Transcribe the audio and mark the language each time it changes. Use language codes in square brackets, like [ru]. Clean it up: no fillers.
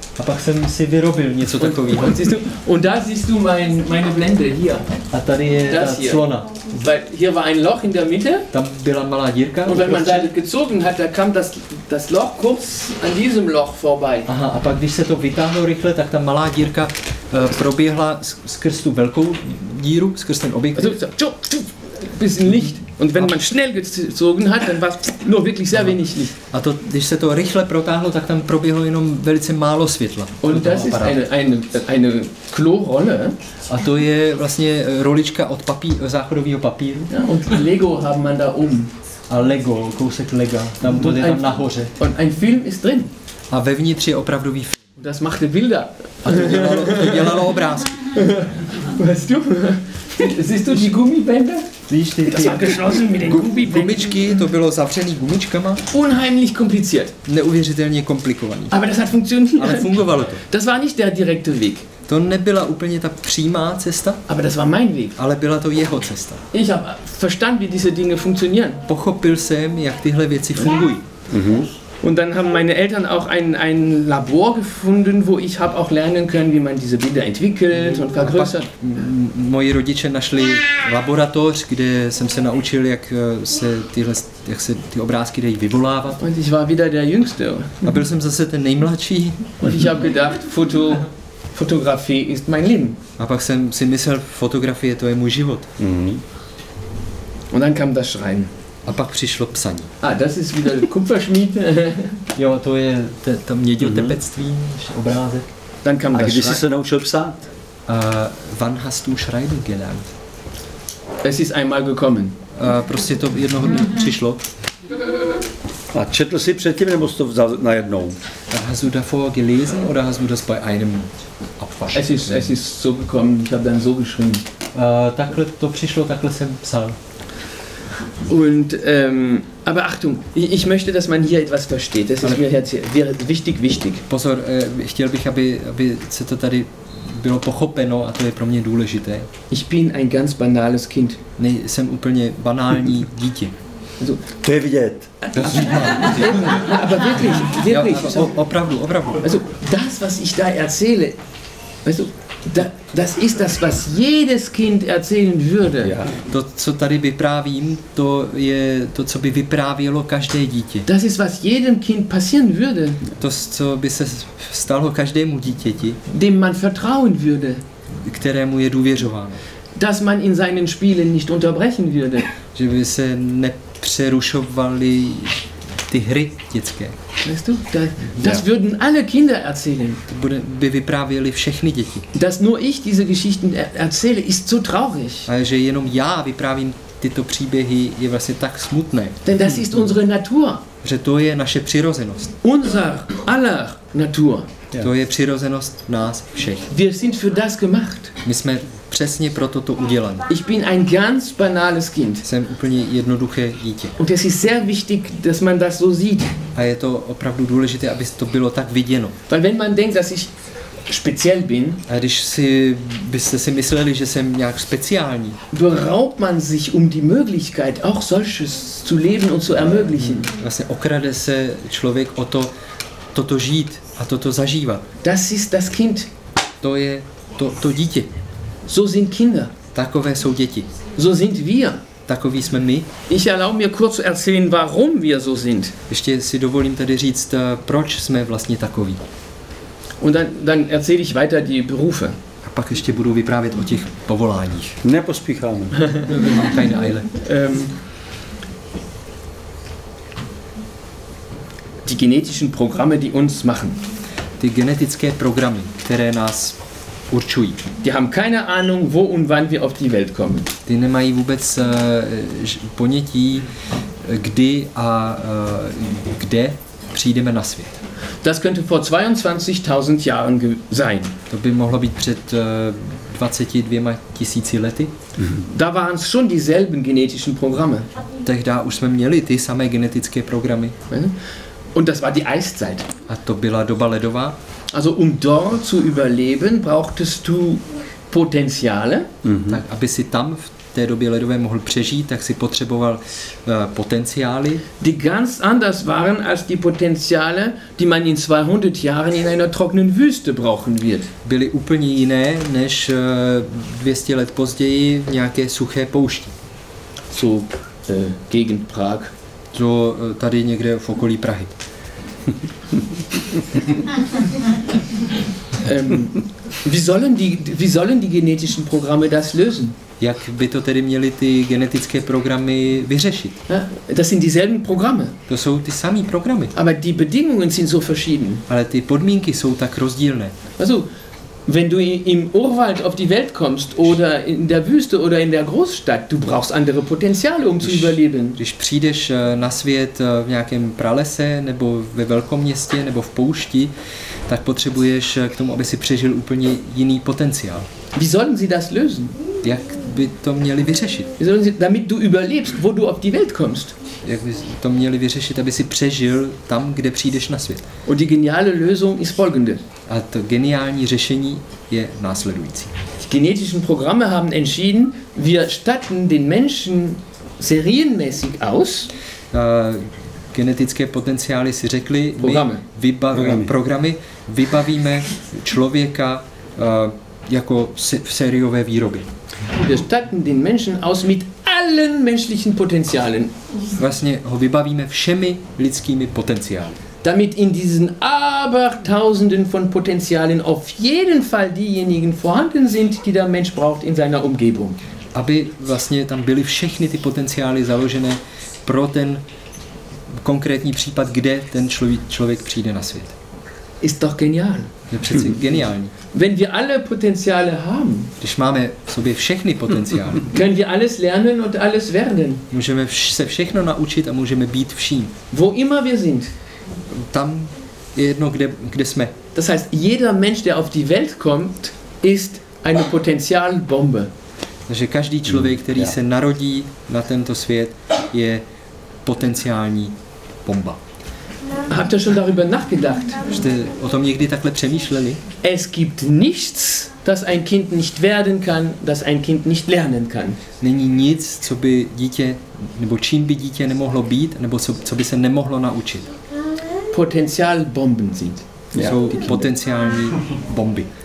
[cs] A pak jsem si vyrobil něco takového. [de] Und da siehst du meine Blende hier. [cs] A tady je [de] das [cs] ta Slona. [de] Weil hier war ein Loch in der Mitte. [cs] Tam byla malá dírka. [de] Und wenn man da gezogen hat, da kam das Loch kurz an diesem Loch vorbei. [cs] Aha, a pak když se to vytáhlo rychle, tak ta malá dírka proběhla skrz tu velkou díru, skrz ten objektiv. [de] Bisschen Licht. Und wenn man schnell gezogen hat, dann war nur wirklich sehr wenig Licht. [cs] A to, když se to rychle protáhlo, tak tam proběhlo jenom velice málo světla. [de] Und das ist eine Klorolle. [cs] A to je vlastně rolička od záchodového papíru. [de] Ja, und Lego haben man da oben. [cs] A Lego, kousek Lego, tam to je tam nahoře. [de] Und ein Film ist drin. [cs] A vevnitř je opravdový film. [de] Und das machte Bilder. [cs] A to dělalo obrázky. [de] Weißt du? Siehst du die Gummibänder? Siehst du, das war geschlossen mit den Gummibänden. [cs] Gumičky, to bylo zavřený gumičkama. [de] Unheimlich kompliziert. [cs] Neuvěřitelně komplikovaný. [de] Aber das hat funktioniert. [cs] Ale fungovalo to. [de] Das war nicht der direkte Weg. [cs] To nebyla úplně ta přímá cesta. [de] Aber das war mein Weg. [cs] Ale byla to jeho cesta. [de] Ich habe verstanden, wie diese Dinge funktionieren. [cs] Pochopil jsem, jak tyhle věci fungují. [de] Und dann haben meine Eltern auch ein Labor gefunden, wo ich habe auch lernen können, wie man diese Bilder entwickelt und vergrößert. [cs] Moji rodiče našli laboratoř, kde jsem se naučil, jak se ty obrázky dají vyvolávat. [de] Und ich war wieder der Jüngste. [cs] A byl jsem zase ten nejmladší. [de] Und ich habe gedacht, Fotografie ist mein Leben. [cs] A pak jsem si myslel, fotografie, to je můj život. [de] Und dann kam das Schreiben. [cs] A pak přišlo psaní. [de] Ah, das ist wieder Kupferschmied. [cs] Jo, to je to mědiotepectví, obrázek. [de] Dann kam [cs] a kdy jsi se naučil psát? [de] Wann hast du schreiben gelernt? Es ist einmal gekommen. [cs] Prostě to jednoho dne přišlo. A četl jsi předtím, nebo jsi to vzal najednou? [de] Hast du davor gelesen, oder hast du das bei einem Abwasch? Es ist so gekommen, ich habe dann so geschrieben. [cs] Takhle to přišlo, takhle jsem psal. [de] Und, aber Achtung, ich möchte, dass man hier etwas versteht. Das ist mir jetzt wichtig, wichtig. [cs] Pozor, chtěl bych, aby se to tady bylo pochopeno, a to je pro mě důležité. [de] Ich bin ein ganz banales Kind. [cs] Ne, jsem úplně banální dítě. Also, to je vidět. [de] Aber wirklich, wirklich. [cs] Ja, opravdu. [de] Also, das, was ich da erzähle, weißt du, das ist das, was jedes Kind erzählen würde. Ja. [cs] To, co tady vyprávím, to je to, co by vyprávělo každé dítě. [de] Das ist, was jedem Kind passieren würde. [cs] To, co by se stalo každému dítěti. [de] Dem man vertrauen würde. [cs] Kterému je důvěřováno. [de] Dass man in seinen Spielen nicht unterbrechen würde. [cs] Že by se nepřerušovaly ty hry dětské. [de] Weißt du, das würden alle Kinder erzählen. [cs] By vyprávěli všechny děti. [de] Dass nur ich diese Geschichten erzähle, ist so traurig. [cs] A že jenom já vyprávím tyto příběhy, je vlastně tak smutné. [de] Denn das ist unsere Natur. [cs] Že to je naše přirozenost. [de] Unser aller Natur. Ja. [cs] To je přirozenost nás všech. [de] Wir sind für das gemacht. [cs] My jsme přesně proto to udělali. [de] Ich bin ein ganz banales Kind. [cs] Jsem úplně jednoduché dítě. [de] Und es ist sehr wichtig, dass man das so sieht. [cs] A je to opravdu důležité, aby to bylo tak viděno. [de] Weil wenn man denkt, dass ich speziell bin. [cs] A když si byste si mysleli, že jsem nějak speciální. [de] Beraubt man sich um die Möglichkeit, auch solches zu leben und zu ermöglichen. [cs] Vlastně okrade se člověk o to, toto žít a toto zažívat. [de] Das ist das Kind. [cs] To je to dítě. [de] So sind Kinder. [cs] Takové jsou děti. [de] So sind wir. [cs] Takoví jsme my. [de] Ich erlaube mir kurz erzählen, warum wir so sind. [cs] Ještě si dovolím tady říct, proč jsme vlastně takoví. [de] Und dann erzähle ich weiter die Berufe. [cs] A pak ještě budu vyprávět o těch povoláních. Nepospícháme. Mám [de] keine Eile. Die genetischen Programme, die uns machen. [cs] Ty genetické programy, které nás určují. [de] Die haben keine Ahnung, wo und wann wir auf die Welt kommen. [cs] Ty nemají vůbec ponětí, kdy a kde přijdeme na svět. [de] Das könnte vor 22.000 Jahren sein. [cs] To by mohlo být před 22 tisíci lety. [de] Da waren es schon dieselben genetischen Programme. [cs] Tehda už jsme měli ty samé genetické programy. [de] Und das war die Eiszeit. [cs] A to byla doba ledová. [de] Also um dort zu überleben, brauchtest du Potenziale. Mm-hmm. [cs] Tak aby si tam v té době ledové mohl přežít, tak si potřeboval potenciály. [de] Die ganz anders waren als die Potenziale, die man in 200 Jahren in einer trockenen Wüste brauchen wird. [cs] Byly úplně jiné než 200 let později v nějaké suché poušti. [de] So gegen Prag. [cs] So tady někde v okolí Prahy. [de] wie sollen die genetischen Programme das lösen? [cs] Jak by to tedy měly ty genetické programy vyřešit? [de] Das sind dieselben Programme. [cs] To jsou ty samé programy. [de] Aber die Bedingungen sind so verschieden. [cs] Ale ty podmínky jsou tak rozdílné. [de] Also, wenn du im Urwald auf die Welt kommst oder in der Wüste oder in der Großstadt, du brauchst andere Potenziale, um zu überleben. [cs] Když přijdeš na svět v nějakém pralese nebo ve velkém městě nebo v poušti, tak potřebuješ k tomu, aby si přežil úplně jiný potenciál. [de] Wie sollen sie das lösen? [cs] Jak by to měli vyřešit? [de] Wie sollen sie, damit du überlebst, wo du auf die Welt kommst. [cs] Jak by to měli vyřešit, aby si přežil tam, kde přijdeš na svět. [de] Und die geniale Lösung ist folgende. [cs] A to geniální řešení je následující. [de] Die genetischen Programme haben entschieden, wir statten den Menschen serienmäßig aus. [cs] Genetické potenciály si řekli, programy. Vybavíme člověka jako v sériové výrobě. [de] Wir statten den Menschen aus mit allen menschlichen Potenzialen. [cs] Vlastně ho vybavíme všemi lidskými potenciály. [de] Damit in diesen Abertausenden von Potenzialen auf jeden Fall diejenigen vorhanden sind, die der Mensch braucht in seiner Umgebung. [cs] Aby vlastně tam byly všechny ty potenciály založené pro ten konkrétní případ, kde ten člověk přijde na svět. [de] Ist doch genial. [cs] Je přeci geniální. [de] Wenn wir alle Potenziale haben, [cs] když máme v sobě všechny potenciály, [de] können wir alles lernen und alles werden. [cs] Můžeme se všechno naučit a můžeme být vším. [de] Wo immer wir sind. [cs] Tam je jedno, kde jsme. [de] Das heißt, jeder Mensch, der auf die Welt kommt, ist eine Potenzialbombe. [cs] Takže každý člověk, který se narodí na tento svět, je potenciální bomba. [de] Habt ihr schon darüber nachgedacht? [cs] Jste o tom někdy takhle přemýšleli? [de] Es gibt nichts, das ein Kind nicht werden kann, das ein Kind nicht lernen kann. [cs] Není nic, co by dítě, nebo čím by dítě nemohlo být, nebo co by se nemohlo naučit. [de] Potenzialbomben sind. [cs] Jsou potenciální bomby.